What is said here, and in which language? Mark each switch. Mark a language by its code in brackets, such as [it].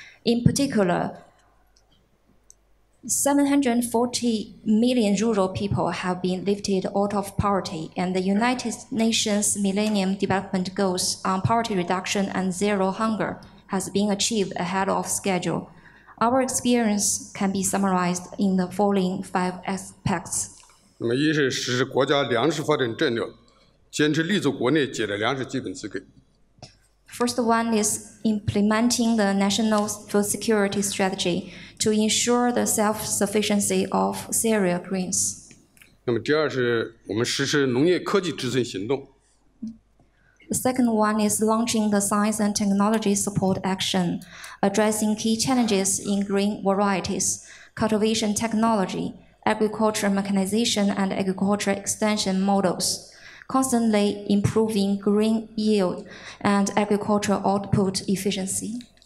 [en] In particular, 740 million rural people have been lifted out of poverty, and the United Nations Millennium Development Goals on poverty reduction and zero hunger has been achieved ahead of schedule. Our experience can be summarized in the following five aspects. [zh] 那么一是实施国家粮食发展战略, 坚持立足国内解决粮食基本资格。 [en] First one is implementing the national food security strategy to ensure the self-sufficiency of cereal grains. [zh] 那么第二是我们实施农业科技支撑行动。 [en] The second one is launching the science and technology support action, addressing key challenges in green varieties, cultivation technology, agriculture mechanization, and agriculture extension models, constantly improving green yield and agriculture output efficiency.